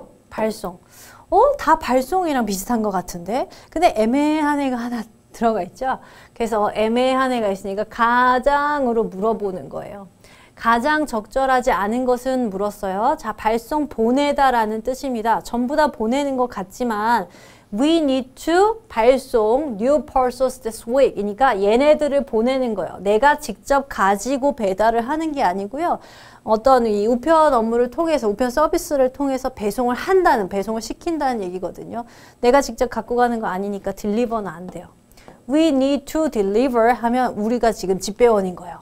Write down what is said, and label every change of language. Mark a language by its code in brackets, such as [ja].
[ko] 발송. 다 발송이랑 비슷한 것 같은데? 근데 애매한 애가 하나 들어가 있죠? 그래서 애매한 애가 있으니까 가장으로 물어보는 거예요. 가장 적절하지 않은 것은 물었어요. 자, 발송 보내다 라는 뜻입니다. [en] 전부 다 보내는 것 같지만 We need to 발송 new parcels this week. [ko] 이니까 얘네들을 보내는 거예요. 내가 직접 가지고 배달을 하는 게 아니고요. 어떤 이 우편 업무를 통해서, 우편 서비스를 통해서 배송을 한다는, 배송을 시킨다는 얘기거든요. 내가 직접 갖고 가는 거 아니니까 deliver는 안 돼요. [en] We need to deliver [ko] 하면 우리가 지금 집배원인 거예요.